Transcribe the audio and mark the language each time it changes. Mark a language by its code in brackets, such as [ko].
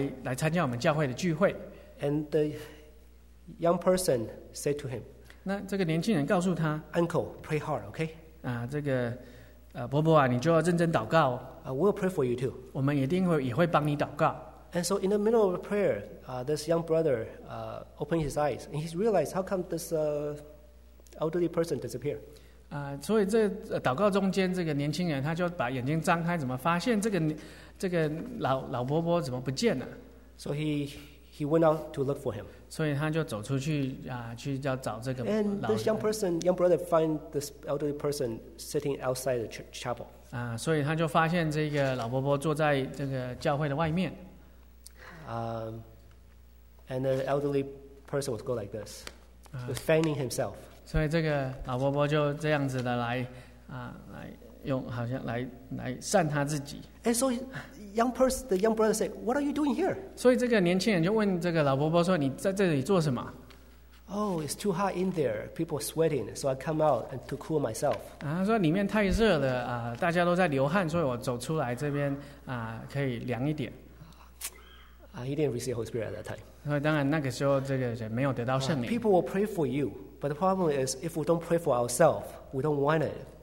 [zh] 有一次有一个青年邀请一个年长的人来参加我们教会的聚会。 [en] And the young person said to him, [zh] 那这个年轻人告诉他, [en] Uncle, pray hard, okay? [zh] 这个伯伯啊，你就要认真祷告。 [en] We'll pray for you too. [zh] 我们一定会也会帮你祷告。 [en] And so in the middle of the prayer, this young brother opened his eyes, and he realized, how come this elderly person disappeared? [zh] 所以这祷告中间，这个年轻人他就把眼睛张开，怎么发现这个老伯伯怎么不见了？ [en] So he went out to look for him. [zh] 所以他就走出去去要找这个老人。 [en] And this young brother find this elderly person sitting outside the chapel. [zh] 所以他就发现这个老伯伯坐在这个教会的外面。 [en] And the elderly person would go like this. was fanning himself. [zh] 所以这个老伯伯就这样子的来善他自己。 [en] And so the young brother said, "What are you doing here?" [zh] 所以这个年轻人就问这个老伯伯说，你在这里做什么？ [en] "Oh, it's too hot in there. People are sweating, so I come out and to cool myself." [zh] 他说里面太热了，大家都在流汗，所以我走出来这边可以凉一点。 [en] He didn't receive Holy Spirit at that time. [zh] 所以当然那个时候这个人没有得到圣灵。 [en] People will pray for you, but the problem is if we don't pray for ourselves, we don't want it.